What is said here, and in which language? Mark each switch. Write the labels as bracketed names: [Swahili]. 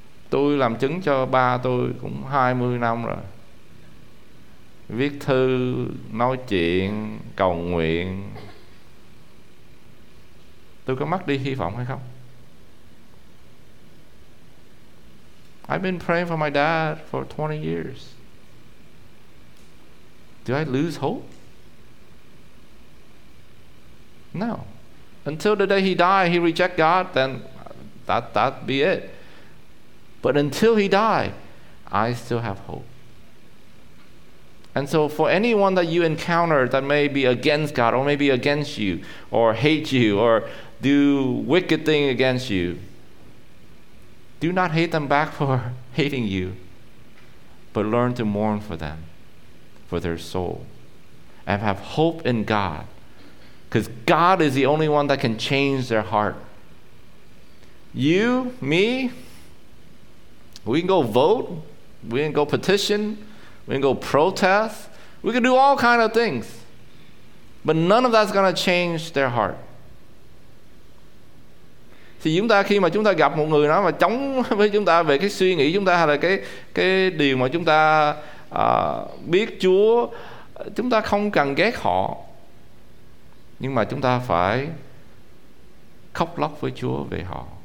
[Vietnamese] Tôi làm chứng cho ba tôi cũng 20 năm rồi. Viết thư, nói chuyện, cầu nguyện. Tôi có mất đi hy vọng hay không? [English] I've been praying for my dad for 20 years. Do I lose hope? No. Until the day he died, he rejected God, then that be it. But until he died, I still have hope. And so for anyone that you encounter that may be against God or maybe against you or hate you or do wicked thing against you, do not hate them back for hating you, but learn to mourn for them, for their soul, and have hope in God, because God is the only one that can change their heart. You, me, we can go vote, we can go petition, we can go protest, we can do all kinds of things. But none of that's going to change their heart. [Vietnamese] Thì chúng ta khi mà chúng ta gặp một người nào mà chống với chúng ta về cái suy nghĩ chúng ta hay là cái điều mà chúng ta biết Chúa, chúng ta không cần ghét họ. Nhưng mà chúng ta phải khóc lóc với Chúa về họ.